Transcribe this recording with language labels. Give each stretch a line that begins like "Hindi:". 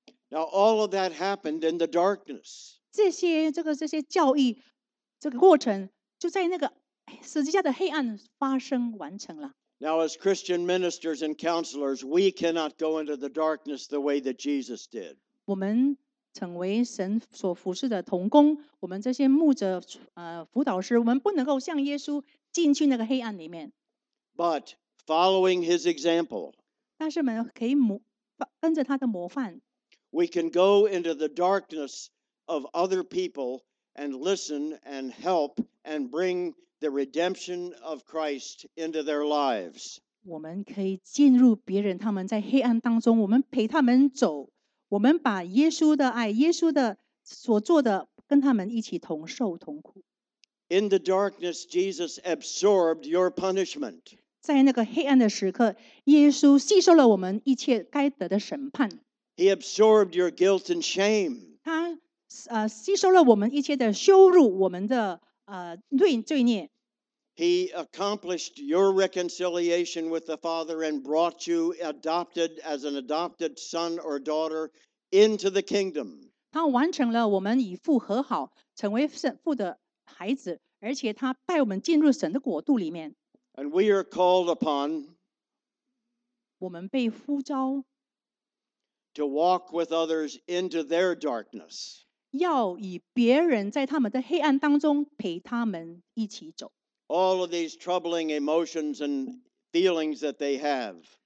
English: Now all of that happened in the darkness.
Chinese: 这些教义，这个过程就在那个十字架的黑暗发生完成了。
English: Now as Christian ministers and counselors, we cannot go into the darkness the way that Jesus did.
Chinese: 我们成为神所服侍的同工，我们这些牧者、辅导师，我们不能够像耶稣进去那个黑暗里面。
English: But following his example.
Chinese: 但是我们可以跟着他的模范。
English: We can go into the darkness of other people and listen and help and bring the redemption of Christ into their lives.
Chinese: 我们可以进入别人他们在黑暗当中，我们陪他们走，我们把耶稣的爱、耶稣的所做的跟他们一起同受同苦。
English: In the darkness, Jesus absorbed your punishment.
Chinese: 在那个黑暗的时刻，耶稣吸收了我们一切该得的审判。
English: He absorbed your guilt and shame.
Chinese: 他吸收了我们一切的羞辱，我们的罪孽。
English: He accomplished your reconciliation with the Father and brought you adopted as an adopted son or daughter into the kingdom.
Chinese: 他完成了我们与父和好，成为父的孩子，而且他带我们进入神的国度里面。
English: And we are called upon
Chinese: 我们被呼召
English: to walk with others into their darkness.
Chinese: 要与别人在他们的黑暗当中陪他们一起走。
English: All of these troubling emotions and feelings that they have.